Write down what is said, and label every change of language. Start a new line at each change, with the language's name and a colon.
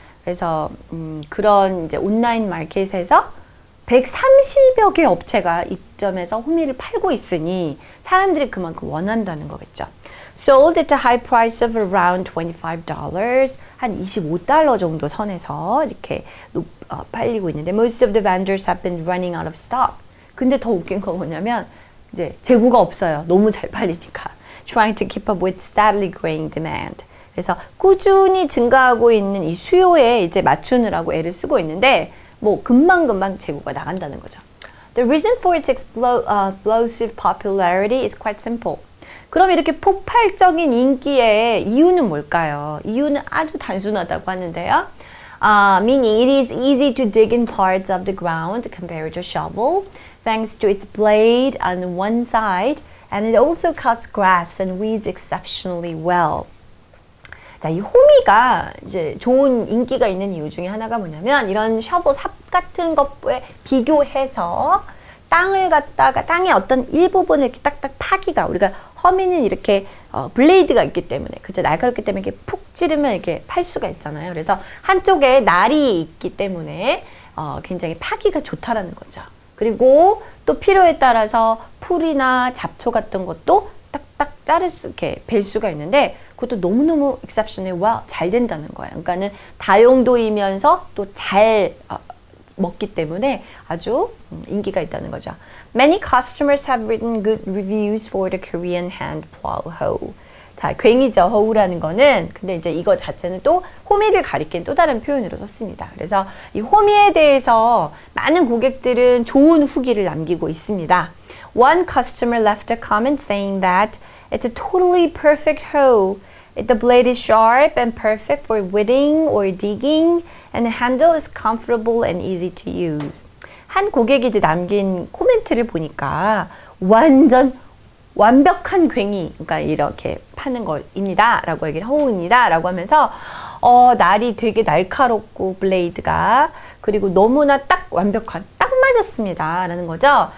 Korean: 그래서 그런 이제 온라인 마켓에서 130여 개 업체가 입점해서 호미를 팔고 있으니 사람들이 그만큼 원한다는 거겠죠.
English: Sold at a high price of around $25,
Korean: 한 $25 정도 선에서 이렇게 팔리고 있는데
English: most of the vendors have been running out of stock.
Korean: 근데 더 웃긴 건 뭐냐면 이제 재고가 없어요. 너무 잘 팔리니까.
English: Trying to keep up with steadily growing demand.
Korean: 그래서 꾸준히 증가하고 있는 이 수요에 이제 맞추느라고 애를 쓰고 있는데 뭐 금방금방 재고가 나간다는 거죠.
English: The reason for its explosive popularity is quite simple.
Korean: 그럼 이렇게 폭발적인 인기의 이유는 뭘까요? 이유는 아주 단순하다고 하는데요.
English: Meaning it is easy to dig in parts of the ground compared to shovel thanks to its blade on one side and it also cuts grass and weeds exceptionally well.
Korean: 자, 이 호미가 이제 좋은 인기가 있는 이유 중에 하나가 뭐냐면 이런 셔벌 삽 같은 것에 비교해서 땅을 갖다가 땅의 어떤 일부분을 이렇게 딱딱 파기가 우리가 허미는 이렇게 블레이드가 있기 때문에 그쵸? 날카롭기 때문에 이렇게 푹 찌르면 이렇게 팔 수가 있잖아요. 그래서 한쪽에 날이 있기 때문에 굉장히 파기가 좋다라는 거죠. 그리고 또 필요에 따라서 풀이나 잡초 같은 것도 딱딱 자를 수 이렇게 벨 수가 있는데 그것도 너무너무
English: exceptionally well
Korean: 잘 된다는 거예요. 그러니까는 다용도이면서 또 잘 먹기 때문에 아주 인기가 있다는 거죠.
English: Many customers have written good reviews for the Korean hand plow hoe.
Korean: 자, 괭이죠. 허우라는 거는. 근데 이제 이거 자체는 또 호미를 가리킨 또 다른 표현으로 썼습니다. 그래서 이 호미에 대해서 많은 고객들은 좋은 후기를 남기고 있습니다.
English: One customer left a comment saying that it's a totally perfect hoe. The blade is sharp and perfect for whittling or digging, and the handle is comfortable and easy to use.
Korean: 한 고객이 이제 남긴 코멘트를 보니까 완전 완벽한 괭이, 그러니까 이렇게 파는 거입니다 라고 얘기를 허우입니다 라고 하면서 날이 되게 날카롭고 블레이드가 그리고 너무나 딱 완벽한 딱 맞았습니다 라는 거죠.